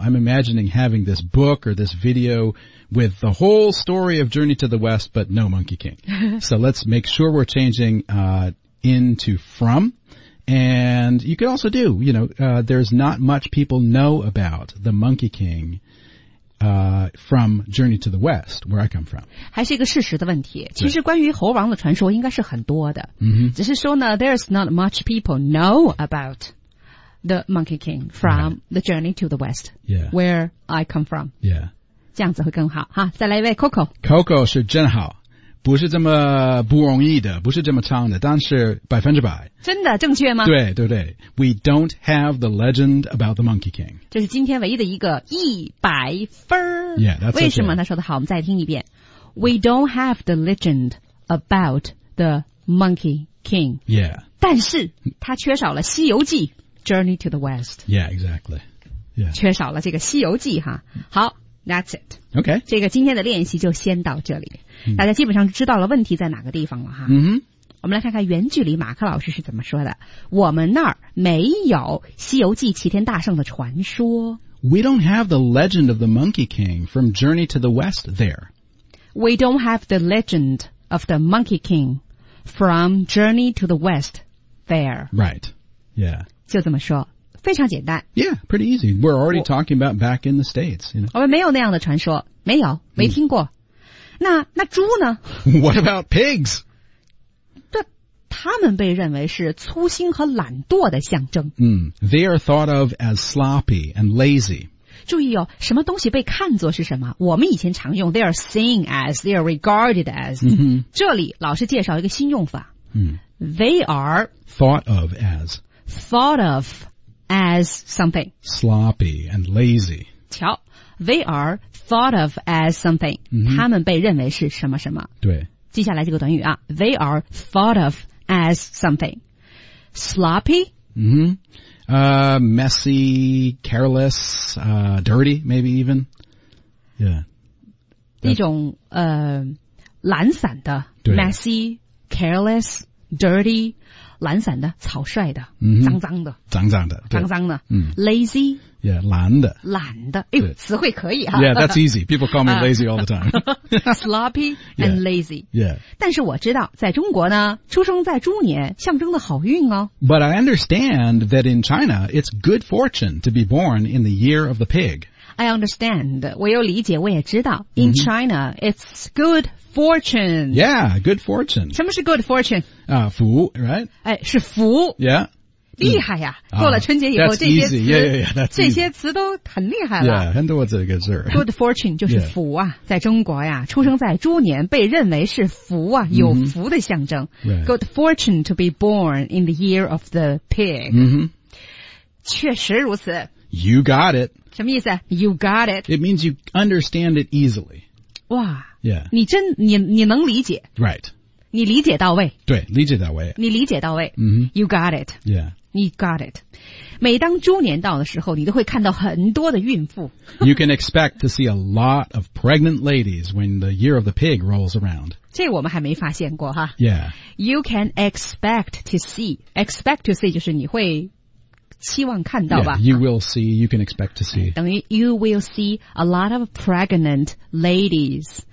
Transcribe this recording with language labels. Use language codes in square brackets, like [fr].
[en] I'm imagining having this book or this video... with the whole story of Journey to the West, but no Monkey King. So let's make sure we're changing, into from. And you could also do, you know, there's not much people know about the Monkey King, from Journey to the West, where I come from. [zh] 还是一个事实的问题。其实关于猴王的传说应该是很多的。 Mm-hmm. 只是说呢 [en] there's not much people know about the Monkey King from、right. the Journey to the West,、 yeah. where I come from. Yeah. [zh] 这样子会更好哈，再来一位 Coco。 Coco 是真好，不是这么不容易的，不是这么唱的，但是百分之百。真的正确吗？对对对 [en] ，We don't have the legend about the Monkey King。 [zh] 这是今天唯一的一个100分。 [en] Yeah, that's、 [zh] okay. 为什么他说的好？我们再听一遍。 [en] We don't have the legend about the Monkey King。 Yeah。 [zh] 但是他缺少了《西游记》Journey to the West。 [en] Yeah, exactly. Yeah。 [zh] 缺少了这个《西游记》哈，好。 [en] That's it. Okay. [zh] 这个今天的练习就先到这里。大家基本上知道了问题在哪个地方了哈。嗯、mm-hmm. 我们来看看原句里马克老师是怎么说的。我们那儿没有西游记齐天大圣的传说。 [en] We don't have the legend of the Monkey King from Journey to the West there. We don't have the legend of the Monkey King from Journey to the West there. Right. Yeah. 就这么说。非常简单。 Yeah, pretty easy. We're already talking about back in the States. You know? [zh] 我们没有那样的传说，没有，没听过。那猪呢？ [en] What about pigs? [zh] 他们被认为是粗心和懒惰的象征。 [en] 嗯 ,they are thought of as sloppy and lazy. [zh] 注意哦，什么东西被看作是什么，我们以前常用 [en] they are seen as, they are regarded as.、嗯、 [zh] 这里老师介绍一个新用法。嗯、 [en] they are thought of as, thought of as something. Sloppy and lazy. [zh] 瞧 [en] ,they are thought of as something.、嗯、 [zh] 他们被认为是什么什么。对。接下来这个短语啊 , [en] they are thought of as something. Sloppy? Mm-hmm. Messy, careless, dirty, maybe even. Yeah. [zh] 一种懒散的 , [en] messy, careless, dirty, [zh] 懒散的草率的、 mm-hmm. 脏脏的。脏脏的。脏脏的。嗯、 [en] lazy? [zh] Yeah, 懒的。懒的。哎呦词汇可以啊。 [en] Yeah, that's easy. People call me lazy all the time. Sloppy and lazy. Yeah. Yeah. [zh] 但是我知道在中国呢出生在猪年象征的好运哦。 [en] But I understand that in China, it's good fortune to be born in the year of the pig. I understand. [zh] 我有理解我也知道。 [en] In China, it's good fortune. Yeah, good fortune. [zh] 什么是 good fortune? 福 [en] right? [zh] 哎是福。 [en] Yeah. [zh] 厉害呀、啊、过了春节以后、这些词 [en] yeah, [zh] 这些词都很厉害了。 Yeah, 很多这个字。 [en] Good fortune [zh] 就是福啊、 [en] yeah. [zh] 在中国呀出生在猪年被认为是福啊、 mm-hmm. 有福的象征。 [en] Right. Good fortune to be born in the year of the pig.、 Mm-hmm. [zh] 确实如此。 [en] You got it. [zh] 什么意思 ? [en] You got it. It means you understand it easily. [zh] 哇、 [en] yeah. [zh] 你能理解。 [en] Right. [zh] 你理解到位。对理解到位。你理解到位。 Mm-hmm. [en] You got it. Yeah. You got it. [zh] 每当猪年到的时候你都会看到很多的孕妇。 [en] You can expect to see a lot of pregnant ladies when the year of the pig rolls around. [zh] 这我们还没发现过哈。 [en] Yeah. You can expect to see. Expect to see [zh] 就是你会期望看到吧。 [en] Yeah, you will see, you can expect to see. [zh] 等于 [en] you will see a lot of pregnant ladies.